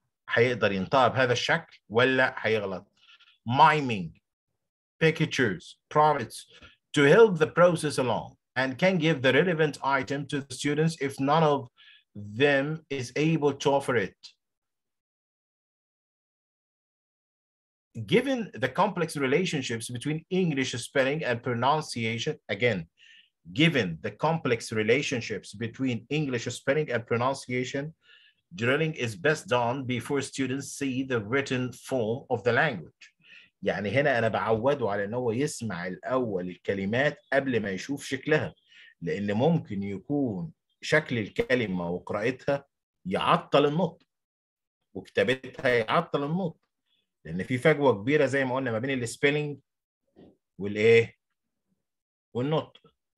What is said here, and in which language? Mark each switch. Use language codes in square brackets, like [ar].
[ar] هيقدر ينطقها بهذا الشكل ولا هيغلط؟ [en] miming pictures prompts to help the process along and can give the relevant item to the students if none of them is able to offer it. Given the complex relationships between English spelling and pronunciation, again, given the complex relationships between English spelling and pronunciation, drilling is best done before students see the written form of the language. [ar] يعني هنا أنا بعوده على أنه يسمع الأول الكلمات قبل ما يشوف شكلها، لأن ممكن يكون شكل الكلمة وقراءتها يعطل النطق، وكتابتها يعطل النطق. لان في فجوه كبيره زي ما قلنا ما بين السبيلنج والايه والنطق.